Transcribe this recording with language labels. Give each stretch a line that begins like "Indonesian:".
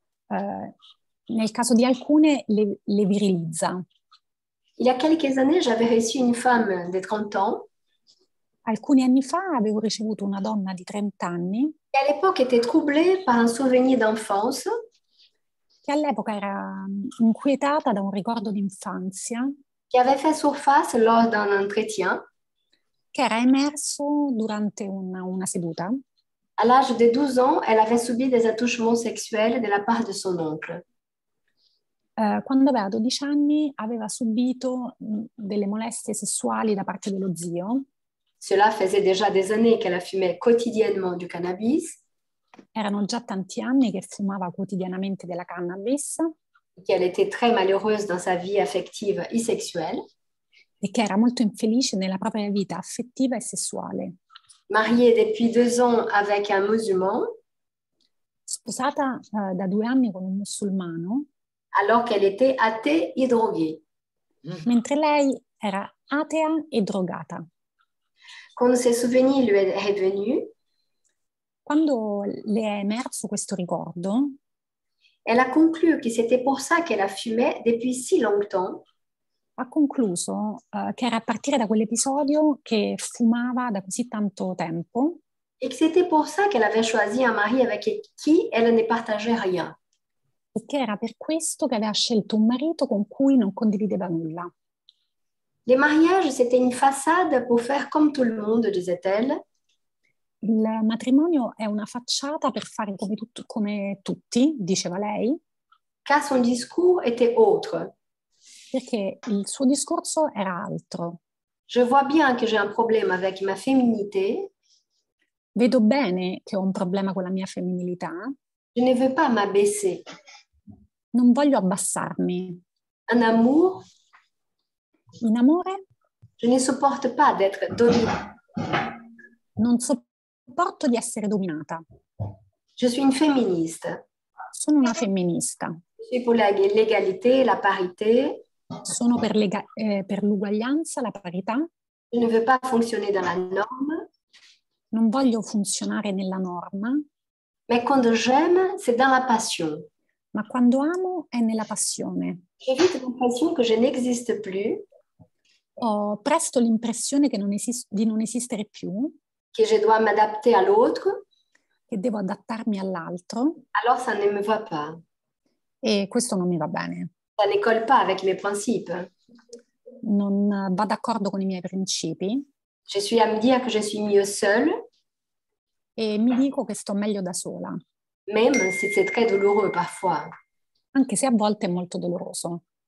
Italian: Nel caso di alcune, le virilizza.
French: Il y a quelques années, j'avais reçu une femme de 30 ans.
Italian: Alcuni anni fa avevo ricevuto una donna di 30 anni. Che all'epoca
French: était troublée par un souvenir d'enfance.
Italian: Che all'epoca era inquietata da un ricordo d'infanzia.
French: Qui avait fait surface lors d'un entretien,
Italian: che era emerso durante una seduta.
French: À l'âge de 12 ans, elle avait subi des attouchements sexuels de la part de son oncle.
Italian: Quando aveva 12 anni, aveva subito delle molestie sessuali da parte dello zio.
French: Cela faisait déjà des années qu'elle fumait quotidiennement du cannabis.
Italian: Erano già tanti anni che fumava quotidianamente della cannabis.
French: Qu'elle était très malheureuse dans sa vie affective et sexuelle. Et qu'elle était très
Italian: infelice nella propria vita affettiva e sessuale.
French: Mariée depuis 2 ans avec un musulman.
Italian: Sposata da 2 anni con un musulmano.
French: Alors qu'elle était athée et droguée.
Italian: Mentre lei era atea e drogata.
French: Quand ses souvenirs lui sont revenus.
Italian: Quando le è emerso questo ricordo.
French: Elle a conclu que c'était pour ça qu'elle a fumé depuis si longtemps.
Italian: Ha concluso che era a partire da quell'episodio che fumava da così tanto tempo.
French: Et que c'était pour ça qu'elle avait choisi un mari avec qui elle ne partageait rien.
Italian: E che era per questo che aveva scelto un marito con cui non condivideva nulla.
French: Les mariages c'était une façade pour faire comme tout le monde, disait-elle.
Italian: Il matrimonio è una facciata per fare come tutti, diceva lei.
French: Car son discours était autre.
Italian: Perché il suo discorso era altro.
French: Je vois bien que j'ai un problème avec ma féminité.
Italian: Vedo bene che ho un problema con la mia femminilità.
French: Je ne veux pas m'abaisser.
Italian: Non voglio abbassarmi.
French: Un amour.
Italian: In amore.
French: Je ne supporte pas d'être dominée.
Italian: Non sopporto di essere dominata.
French: Je suis une féministe.
Italian: Sono una femminista.
French: Je suis pour l'égalité, la parité.
Italian: Sono per l'uguaglianza, la parità.
French: Je ne veux pas fonctionner dans la norme.
Italian: Non voglio funzionare nella norma.
French: Mais quand j'aime, c'est dans la passion.
Italian: Ma quando amo è nella passione.
French: J'ai vite l'impression que je n'existe plus.
Italian: Ho presto l'impressione che non di non esistere più.
French: Que je dois m'adapter à l'autre.
Italian: Che devo adattarmi all'altro.
French: Alors ça ne me va pas.
Italian: E questo non mi va bene.
French: Ça ne colle pas avec mes principes.
Italian: Non va d'accordo con i miei principi.
French: Je suis à me dire que je suis mieux seule.
Italian: E mi dico che sto meglio da sola.
French: Même si c'est très douloureux parfois.
Italian: Anche se a volte è molto doloroso.